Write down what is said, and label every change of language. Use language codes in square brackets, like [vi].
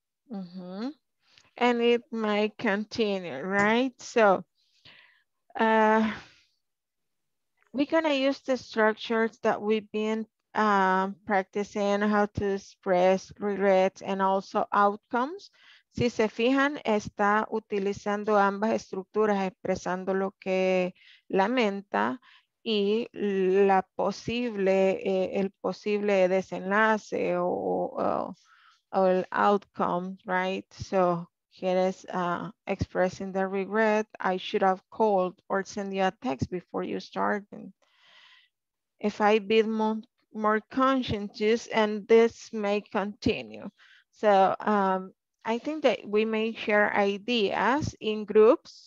[en] Mm-hmm. And it might continue, right? So we're gonna use the structures that we've been practicing, how to express regrets and also outcomes. [es] Si se fijan, está utilizando ambas estructuras, expresando lo que lamenta y la posible, el posible desenlace o el outcome, [en] right? So, [es] quieres [en] expressing the regret, I should have called or send you a text before you started. If I be more conscientious, and this may continue. So, I think that we may share ideas in groups.